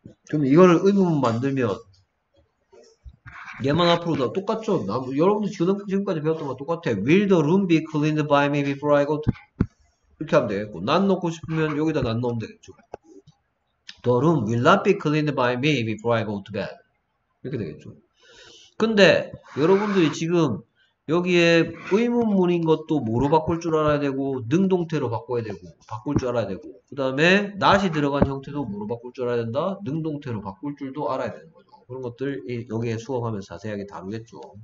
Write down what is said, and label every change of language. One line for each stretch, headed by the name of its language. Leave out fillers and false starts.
Korean: 그럼 이거를 의문문 만들면 얘만 앞으로 다 똑같죠? 여러분들 지금까지 배웠던 거 똑같아.
English: Will the room be cleaned by me before I go to?
Korean: 이렇게 하면 되겠고, 난 넣고 싶으면 여기다 난 넣으면 되겠죠.
English: The room will not be cleaned by me before I go to bed.
Korean: 이렇게 되겠죠. 근데 여러분들이 지금 여기에 의문문인 것도 뭐로 바꿀 줄 알아야 되고, 능동태로 바꿔야 되고, 바꿀 줄 알아야 되고, 그 다음에 not이 들어간 형태도 뭐로 바꿀 줄 알아야 된다? 능동태로 바꿀 줄도 알아야 되는 거죠. 그런 것들 여기에 수업하면서 자세하게 다루겠죠.